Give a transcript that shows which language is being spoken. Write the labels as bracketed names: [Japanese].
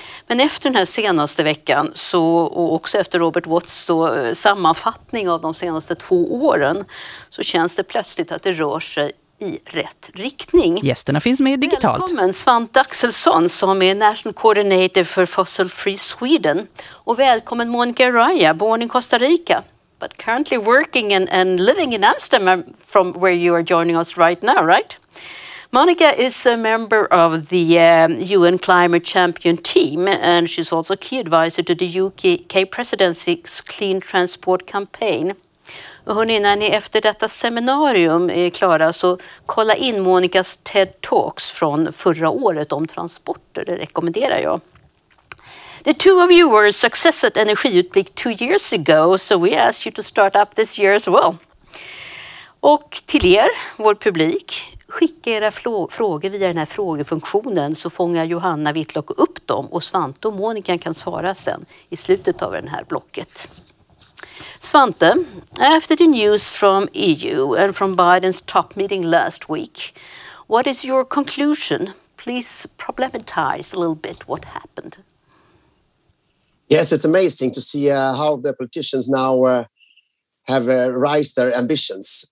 [Swedish] Men efter den här senaste veckan så, och också efter Robert Watts då, sammanfattning av de senaste 2 åren så känns det plötsligt att det rör sig i rätt riktning. Gästerna finns med digitalt. Välkommen Svante Axelsson som är National Coordinator för Fossil Free Sweden. Och välkommen Monica Raya, [English] born in Costa Rica. But currently working and living in Amsterdam from where you are joining us right now, right? Monica is a member of the UN Climate Champion team, and she's also key advisor to the UK presidency's Clean Transport Campaign. [Swedish] Och hörni, när ni efter detta seminarium är klara så kolla in Monicas TED Talks från förra året om transporter, det rekommenderar jag. [English] The two of you were a success at Energiutblick 2 years ago, so we asked you to start up this year as well. [Swedish] Och till er, vår publik, skicka era frågor via den här frågefunktionen så fångar Johanna Whitlock upp dem och Svante och Monica kan svara sen i slutet av det här blocket. [English] Svante, after the news from EU and from Bidens top meeting last week, what is your conclusion? Please problematize a little bit what happened. Yes, it's amazing to see how the politicians now have raised their ambitions.